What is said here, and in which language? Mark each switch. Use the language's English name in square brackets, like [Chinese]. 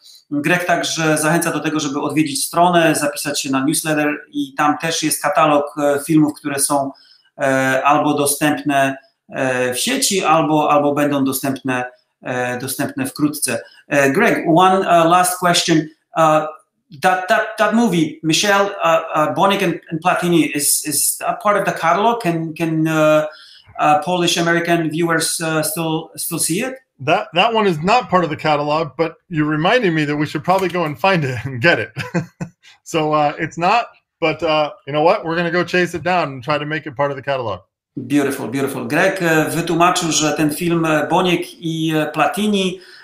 [Polish] Greg także zachęca do tego, żeby odwiedzić stronę, zapisać się na newsletter i tam też jest katalog filmów, które są albo dostępne w sieci, albo będą dostępne wkrótce. [English] Greg, one last question. That movie, Michel, Bonnick and Platini, is a part of the catalog? Can Polish-American viewers still see it? That one is not part of the catalog, but you're reminding me that we should probably go and find it and get it. So it's not, but you know what? We're going to go chase it down and try to make it part of the catalog. Beautiful. [Polish] Greg wytłumaczył, że ten film Boniek i Platini